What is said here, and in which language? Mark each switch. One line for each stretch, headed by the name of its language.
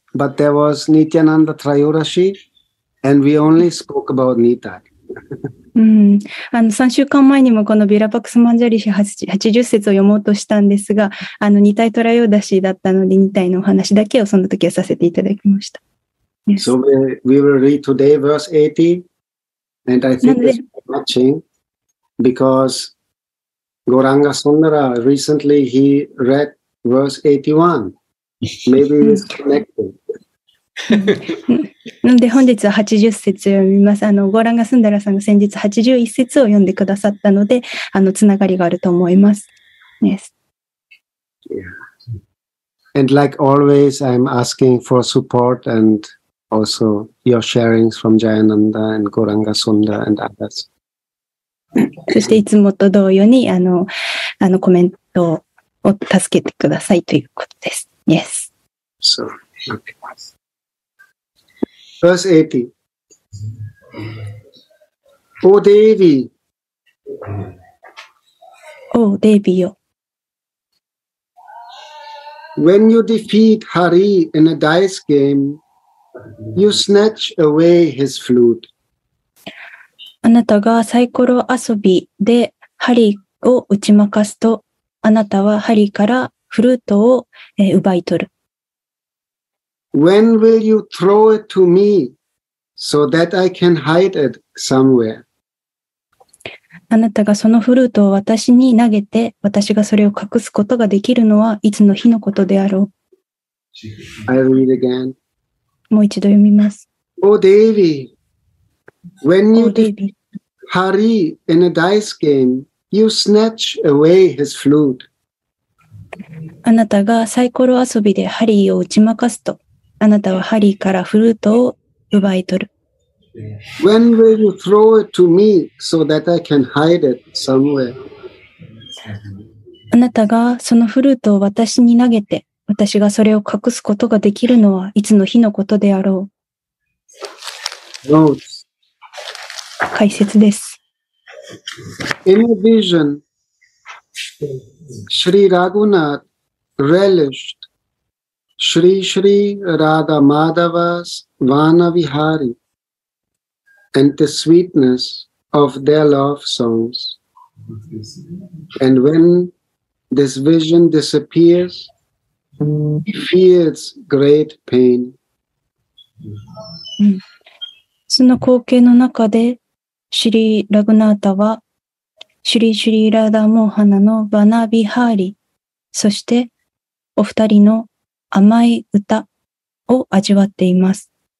English: But there was Nityananda Trayodashi, and we only spoke about Nita.
Japanese: 3週間前にもこのビラパクスマンジャリシ80節を読もうとしたんですが、ニタイトラヨーダシだったので、ニタイのお話だけをその時はさせていただきました。
English: Yes. So we will read today verse 80, and I think this is matching because Gauranga Sundara recently he read verse 81. Maybe it's connected.
Japanese: なので本日は80節を読みます。ゴーランガ・スンダラさんが先日81節を読んでくださったので、つながりがあると思います。
English: Yes. Yeah. And like always, I'm asking for support and also your sharings from Jayananda and Gauranga Sundara and others.
Japanese: そしていつもと同様に、コメントを助けてくださいということです。
English: Yes. So, okay. Verse 80. O Devi. O Devi. When you defeat Hari in a dice game, you snatch away his flute.
Japanese: あなたがサイコロ遊びでハリを打ち負かすと、あなたはハリからフルートを奪い取る。
English: When will you throw it to me so that I can hide it somewhere?
Japanese: あなたがそのフルートを私に投げて、私がそれを隠すことができるのはいつの日のことであろう。
English: I'll read again.
Japanese: もう一度読みます。
English: Oh, Devi, when you defeat Hari in a dice game, you snatch away his flute.
Japanese: あなたがサイコロ遊びでハリーを打ち負かすと、あなたはハリーからフルートを奪い取る。
English: When will you throw it to me so that I can hide it somewhere?
Japanese: あなたがそのフルートを私に投げて、私がそれを隠すことができるのはいつの日のことであろう。
English: Notes.
Japanese: 解説です。
English: In a vision. Shri Raghunath relished Shri Shri Radha Madhava's Vana Vihari and the sweetness of their love songs. And when this vision disappears, he feels great pain.
Japanese: その光景の中で、シリ・ラグナータはシリシリラダモーハナのバナビハーリ、そしてお二人の甘い歌を味わっています。